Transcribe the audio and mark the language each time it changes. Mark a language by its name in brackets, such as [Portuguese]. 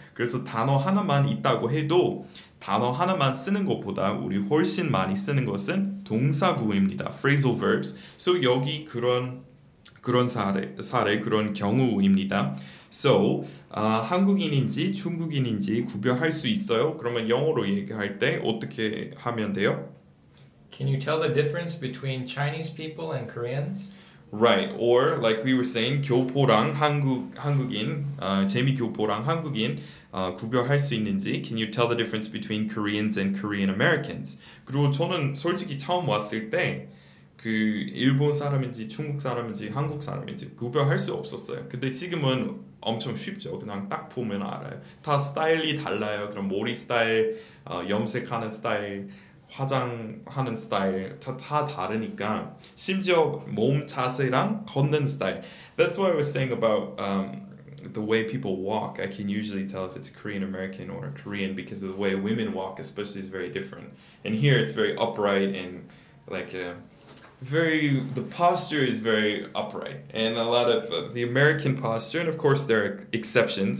[Korean] 그래서 단어 하나만 있다고 해도 단어 하나만 쓰는 것보다 우리 훨씬 많이 쓰는 것은 동사구입니다. [English] Phrasal verbs. [Korean] So 여기 그런 사례, 그런 경우입니다. So, 한국인인지 중국인인지 구별할 수 있어요? 그러면 영어로 얘기할 때 어떻게 하면 돼요? [English] Can you tell the difference between Chinese people and Koreans? Right, or like we were saying, [Korean] 교포랑 한국인, 재미 교포랑 한국인 구별할 수 있는지 [English] Can you tell the difference between Koreans and Korean Americans? [Korean] 그리고 저는 솔직히 처음 왔을 때 그 일본 사람인지 중국 사람인지 한국 사람인지 구별할 수 없었어요. 근데 지금은 엄청 쉽죠. 그냥 딱 보면 알아요. 다 스타일이 달라요. 그럼 머리 스타일, 염색하는 스타일, 화장하는 스타일 다 다르니까 심지어 몸 자세랑 걷는 스타일. [English] That's what I was saying about the way people walk. I can usually tell if it's Korean American or Korean because of the way women walk, especially, is very different. And here it's very upright and like a very the posture is very upright. And a lot of the American posture, and of course there are exceptions.